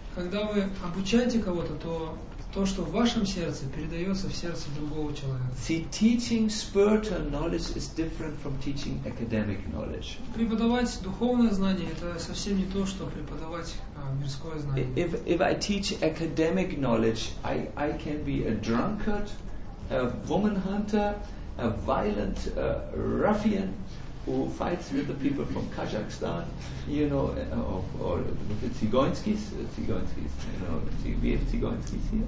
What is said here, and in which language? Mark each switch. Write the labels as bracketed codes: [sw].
[ru] Когда вы обучаете кого-то, то то, что в вашем сердце, передается в сердце другого человека. [en] See, teaching spiritual knowledge is different from teaching academic knowledge. [ru] Преподавать духовное знание – это совсем не то, что преподавать мирское знание. [en] If I teach academic knowledge, I can be a drunkard, a woman hunter, a violent ruffian who fights with the people from Kazakhstan, you know, or the Tsigoinskis, we have Tsigoinskis here.